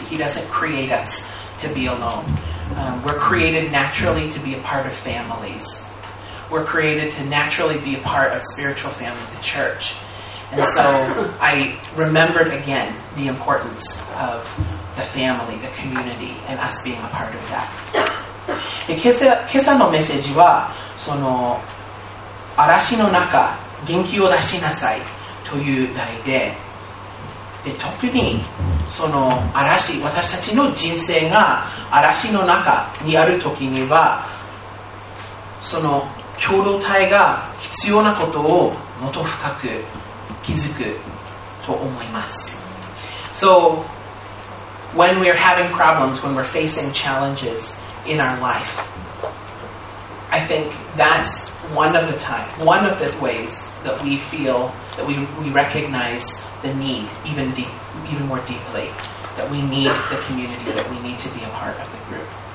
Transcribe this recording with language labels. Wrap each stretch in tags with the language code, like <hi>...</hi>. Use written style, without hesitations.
<en>He doesn't create us to be alone. We're created naturally to be a part of families. We're created to naturally be a part of spiritual family, the church. And so I remembered again the importance of the family, the community, and us being a part of that.</en> <ja>今朝のメッセージは、その嵐の中元気を出しなさいという題で、で特にその嵐、私たちの人生が嵐の中にある時には、その共同体が必要なことをもっと深く気づくと思います。</ja> <en>So when we are having problems, when we're facing challenges in our life, I think that's one of the ways that we feel that we recognize the need even more deeply, that we need the community, that we need to be a part of the group.</en>